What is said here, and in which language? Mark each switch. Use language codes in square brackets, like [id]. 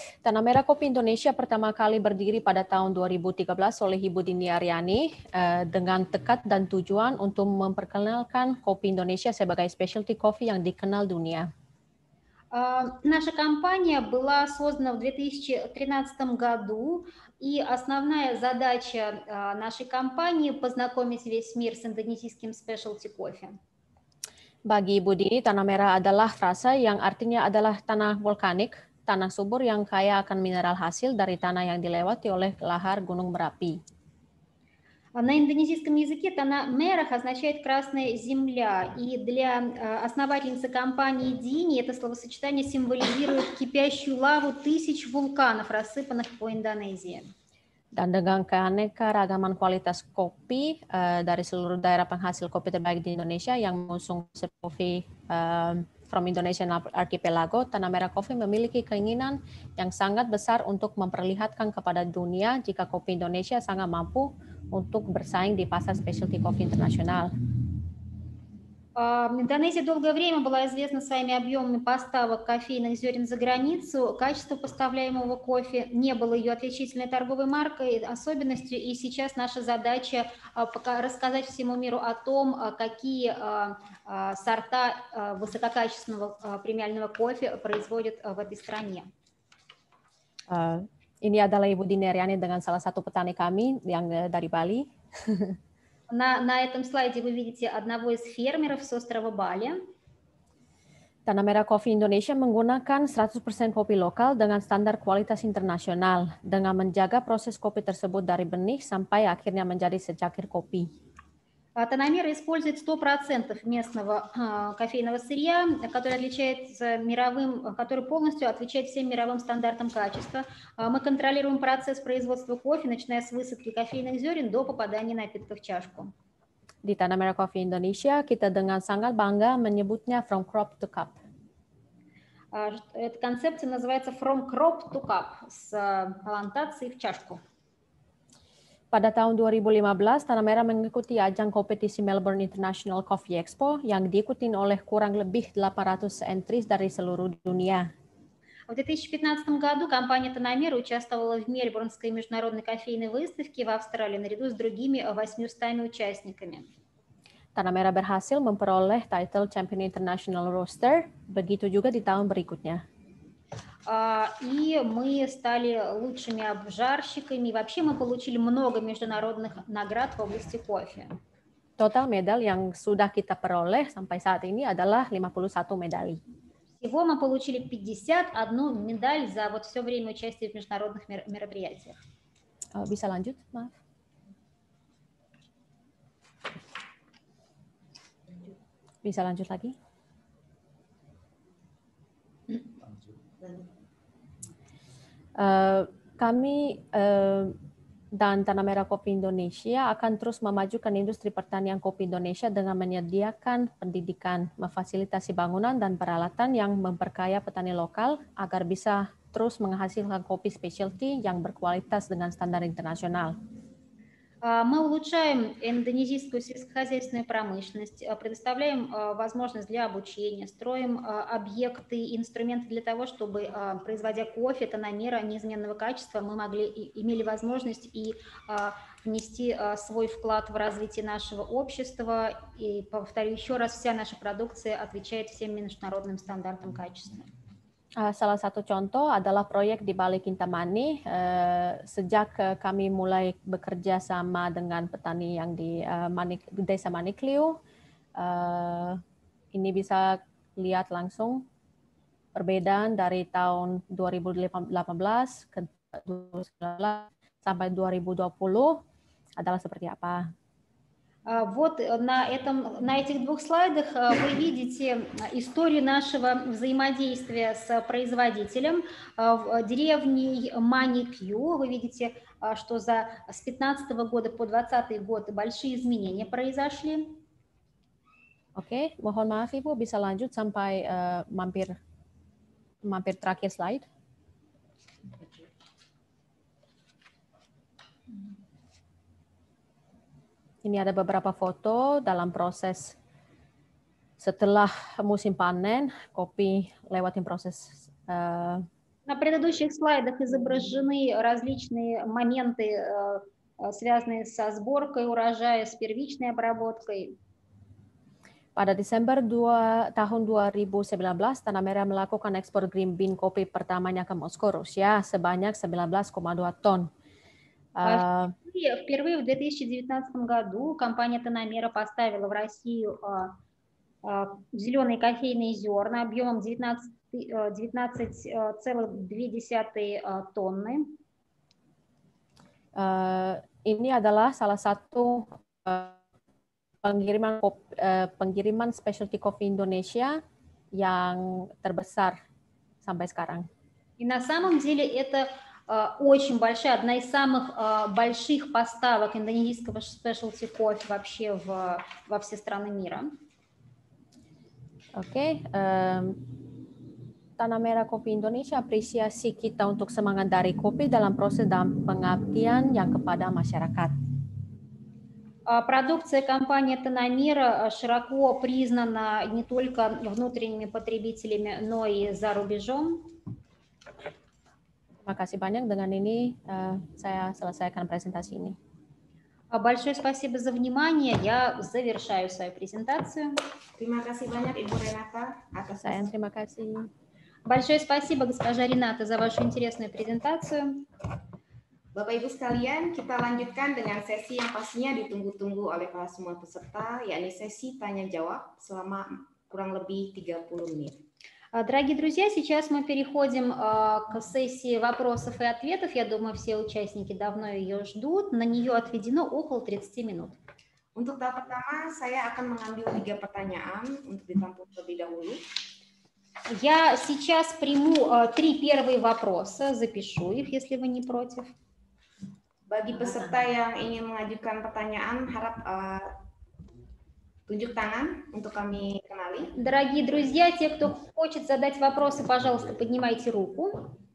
[id] Tanamera Kopi Indonesia pertama kali berdiri pada tahun 2013 oleh Ibu Dini Aryani dengan tekad dan tujuan untuk memperkenalkan Kopi Indonesia sebagai specialty coffee yang dikenal dunia. [ru] Наша компания была создана в 2013 году, и основная задача нашей компании – познакомить весь мир с индонезийским specialty кофе. [id] Bagi Ibu Dini, Tanah Merah adalah rasa yang artinya adalah tanah vulkanik, tanah subur yang kaya akan mineral hasil dari tanah yang dilewati oleh lahar Gunung Merapi. [ru] На индонезийском языке танамерах означает «красная земля», и для основательницы компании Дини это словосочетание символизирует кипящую лаву тысяч вулканов, рассыпанных по Индонезии. [id] Dan dengan keanekaragaman kualitas kopi dari seluruh daerah penghasil kopi terbaik di Indonesia yang mengusung kopi [en] from Indonesian archipelago, [id] Tanah Merah Coffee memiliki keinginan yang sangat besar untuk memperlihatkan kepada dunia jika kopi Indonesia sangat mampu untuk bersaing di pasar specialty coffee internasional. [ru] Индонезия долгое время была известна своими объемами поставок кофейных зерен за границу. Качество поставляемого кофе не было ее отличительной торговой маркой, особенностью. И сейчас наша задача рассказать всему миру о том, какие сорта высококачественного премиального кофе производят в этой стране. [id] Ini adalah Ibu Dini Aryani dengan salah satu petani kami yang dari Bali. [ru] На этом слайде вы видите одного из фермеров с острова Бали. [id] Tanah Merah Coffee Indonesia menggunakan 100% kopi lokal dengan standar kualitas internasional dengan menjaga proses kopi tersebut dari benih sampai akhirnya menjadi secangkir kopi. [ru] Tanamera использует 100% местного кофейного сырья, который отличается мировым, который полностью отвечает всем мировым стандартам качества. Мы контролируем процесс производства кофе, начиная с высадки кофейных зерен до попадания напитка в чашку. [id] Di Tanamera Coffee Indonesia kita dengan sangat bangga menyebutnya [en] from crop to cup. [ru] Эта концепция называется [en] from crop to cup, [ru] с плантации в чашку. [id] Pada tahun 2015, Tanah Merah mengikuti ajang kompetisi Melbourne International Coffee Expo yang diikuti oleh kurang lebih 800 entries dari seluruh dunia. [ru] В 2015 году компания Tanah Merah участвовала в Мельбурнской международной кофейной выставке в Австралии наряду с другими 800 участниками. [id] Tanah Merah berhasil memperoleh title Champion International Roaster, begitu juga di tahun berikutnya. [ru] И мы стали лучшими обжарщиками. Вообще мы получили много международных наград в области кофе. [id] Total [ru] медаль [id] yang sudah kita peroleh sampai saat ini adalah 51 [ru] медали. Всего мы получили 51 медаль за вот все время участия в международных мероприятиях. [id] Bisa lanjut, maaf. Bisa lanjut lagi. Kami dan Tanah Merah Kopi Indonesia akan terus memajukan industri pertanian kopi Indonesia dengan menyediakan pendidikan, memfasilitasi bangunan dan peralatan yang memperkaya petani lokal agar bisa terus menghasilkan kopi specialty yang berkualitas dengan standar internasional. [ru] Мы улучшаем индонезийскую сельскохозяйственную промышленность, предоставляем возможность для обучения, строим объекты, инструменты для того, чтобы, производя кофе, Tanah Merah неизменного качества, мы могли имели возможность и внести свой вклад в развитие нашего общества. И, повторю еще раз, вся наша продукция отвечает всем международным стандартам качества. [id] Salah satu contoh adalah proyek di Balai Kintamani. Sejak kami mulai bekerja sama dengan petani yang di Desa Manikliu, ini bisa lihat langsung perbedaan dari tahun 2018 ke 2019 sampai 2020 adalah seperti apa. [ru] Вот на этих двух слайдах вы видите историю нашего взаимодействия с производителем в деревне Маникью. Вы видите, что с 15 года по 20 год большие изменения произошли. [id] Окей, mohon maaf Ibu, bisa lanjut sampai mampir terakhir slide. Ini ada beberapa foto dalam proses setelah musim panen kopi lewatin proses. [ru] На предыдущих слайдах изображены различные моменты, связанные со сборкой урожая, с первичной обработкой. [id] Pada Desember tahun 2019, Tanah Merah melakukan ekspor green bean kopi pertamanya ke Moskow, Rusia sebanyak 19,2 ton. [ru] Впервые в 2019 году компания Tanah Merah поставила в Россию зеленые кофейные зерна объемом 19,2 тонны. [id] Ini adalah salah satu pengiriman specialty coffee Indonesia yang terbesar sampai sekarang. [ru] И на самом деле это очень большая, одна из самых больших поставок индонезийского specialty кофе вообще во все страны мира. [id] Окей. Tanah Merah Kopi Indonesia apresiasi kita untuk semangat dari kopi dalam proses dan pengabdian yang kepada masyarakat. [ru] Продукция компании Tanah Merah широко признана не только внутренними потребителями, но и за рубежом. [id] Terima kasih banyak. Dengan ini saya selesaikan presentasi ini. [ru] Большое спасибо за внимание. Я завершаю свою презентацию. [id] Terima kasih banyak Ibu Renata atas saya. Terima kasih. [ru] Большое спасибо госпожа Рената за вашу интересную презентацию. [id] Bapak Ibu sekalian, kita lanjutkan dengan sesi yang pastinya ditunggu-tunggu oleh para semua peserta, yakni sesi tanya jawab selama kurang lebih 30 menit. [ru] Дорогие друзья, сейчас мы переходим к сессии вопросов и ответов. Я думаю, все участники давно ее ждут. На нее отведено около 30 минут. [id] Untuk tahap pertama, saya akan mengambil 3 pertanyaan untuk ditampung lebih dahulu. [ru] Я сейчас приму 3 первые вопроса, запишу их, если вы не против. [id] Bagi peserta yang ingin mengajukan pertanyaan, harap tunjuk tangan untuk kami kenali. [ru] Дорогие друзья, те, кто хочет задать вопросы, пожалуйста, поднимайте руку.